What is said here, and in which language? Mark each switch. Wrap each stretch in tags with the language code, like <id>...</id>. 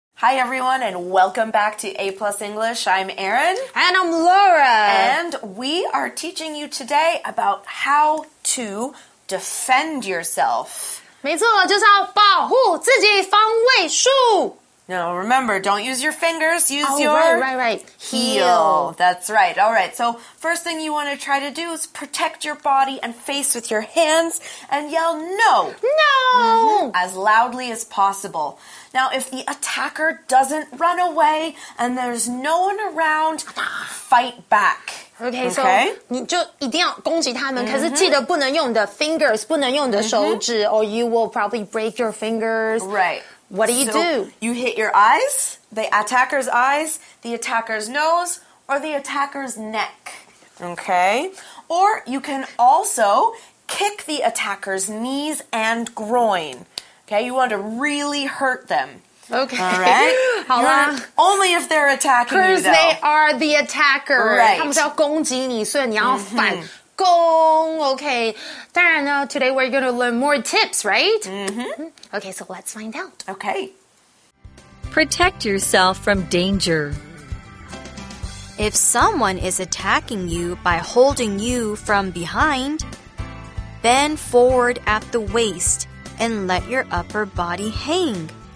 <en>Hi, everyone, and welcome back to A Plus English. I'm Erin. And I'm Laura. And we are teaching you today about how to defend yourself.</en> <zh>没错，就是要保护自己防卫术。</zh> <en>Now, remember, don't use your fingers. Use your heel. That's right. All right. So, first thing you want to try to do is protect your body and face with your hands and yell no. No! As loudly as possible. Now, if the attacker doesn't run away and there's no one around, fight back. Okay, so</en> <zh>你就一定要攻击他们，可是记得不能用你的 fingers, 不能用你的手指,</zh> <en>or you will probably break your fingers. Right. What do you do? You hit your eyes, the attacker's eyes, the attacker's nose, or the attacker's neck. Okay. Or you can also kick the attacker's knees and groin. Okay, you want to really hurt them. Okay. All right. Only if they're attacking you, though. They are the attacker. Right.</en> <zh>他们是要攻击你，所以你要反攻。</zh> <en>Okay.</en> <zh>当然呢,</zh> <en>today we're going to learn more tips, right? Okay, so let's find out. Okay. Protect yourself from danger. If someone is attacking you by holding you from behind, bend forward at the waist and let your upper body hang.</en>